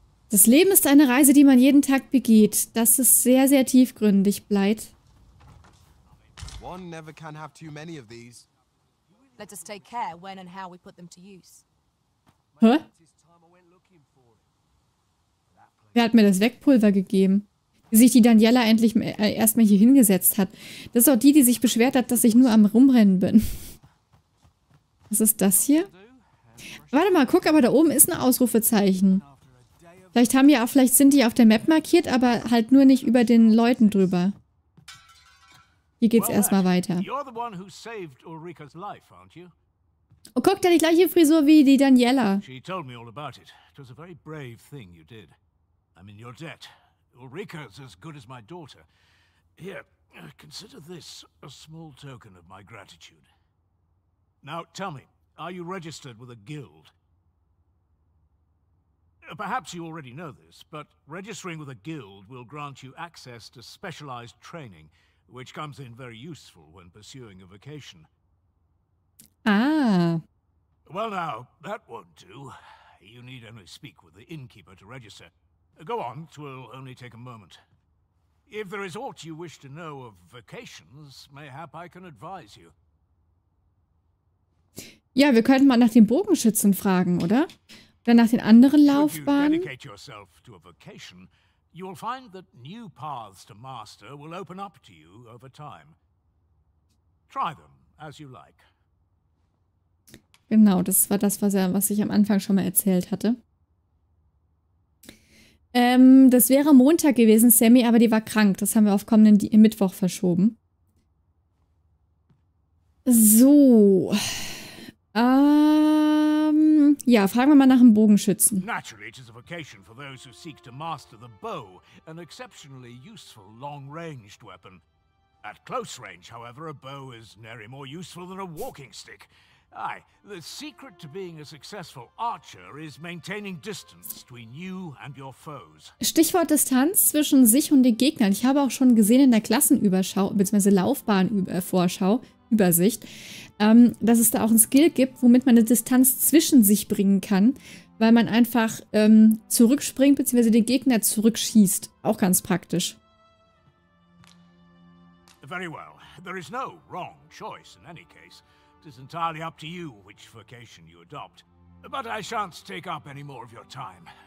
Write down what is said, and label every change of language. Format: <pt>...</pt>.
<de>Das Leben ist eine Reise, die man jeden Tag begeht. Das ist sehr, sehr tiefgründig, Blight.</de> <en>One never can have too many of these. Let us take care when and how we put them to use. Hä?</en> <de>Wer hat mir das Wegpulver gegeben? Wie sich die Daniela endlich erstmal hier hingesetzt hat. Das ist auch die, die sich beschwert hat, dass ich nur am Rumrennen bin. Was ist das hier? Warte mal, guck, aber da oben ist ein Ausrufezeichen. Vielleicht haben wir auch, vielleicht sind die auf der Map markiert, aber halt nur nicht über den Leuten drüber. Hier geht's erstmal weiter. Oh, guck, der hat die gleiche Frisur wie die Daniela.</de> <en>She told me all about it. It was a very brave thing you did. I'm in your debt. Ulrika's as good as my daughter. Here, consider this a small token of my gratitude. Now, tell me, are you registered with a guild? Perhaps you already know this, but registering with a guild will grant you access to specialized training, which comes in very useful when pursuing a vocation. Ah. Well now, that won't do. You need only speak with the innkeeper to register. Go on, it will only take a moment. If there is aught you wish to know of vocations, mayhap I can advise you.</en> <de>Ja, wir könnten mal nach den Bogenschützen fragen, oder? Oder nach den anderen Laufbahnen?</de> <en>Should you dedicate yourself to a vocation, you will find that new paths to master will open up to you over time. Try them as you like.</en> <de>Genau, das war das, was ich am Anfang schon mal erzählt hatte. Das wäre Montag gewesen, Sammy, aber die war krank. Das haben wir auf kommenden Mittwoch verschoben. So. Ja, fragen wir mal nach dem Bogenschützen. Natürlich ist es eine Vocation für die, die</de> <en>seek to master the bow, an exceptionally useful long-ranged weapon. At close range, however, a bow is nary more useful than a walking stick. Aye, the secret to being a successful archer is maintaining distance between you and your foes.</en> <de>Stichwort Distanz zwischen sich und den Gegnern. Ich habe auch schon gesehen in der Klassenüberschau, beziehungsweise Laufbahnvorschau, Übersicht, dass es da auch ein Skill gibt, womit man eine Distanz zwischen sich bringen kann, weil man einfach zurückspringt, beziehungsweise den Gegner zurückschießt. Auch ganz praktisch.</de> <en>Very well. There is no wrong choice in any case. It is entirely up to you which vocation you adopt. But I shan't take up any more of your time.</en>